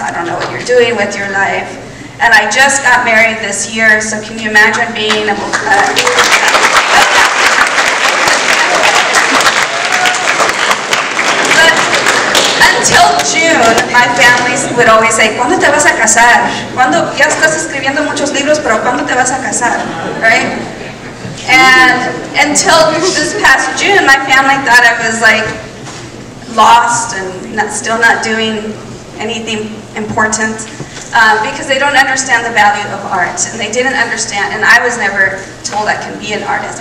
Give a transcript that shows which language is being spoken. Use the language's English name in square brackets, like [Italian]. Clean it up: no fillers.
[English] I don't know what you're doing with your life. And I just got married this year, so can you imagine being a But until June, my family would always say, [Spanish] ¿Cuándo te vas a casar? ¿Cuándo ya estás escribiendo muchos libros, pero ¿cuándo te vas a casar? [English] Right? And until this past June, my family thought I was like lost and still not doing anything important. Because they don't understand the value of art, and they didn't understand, and I was never told I can be an artist.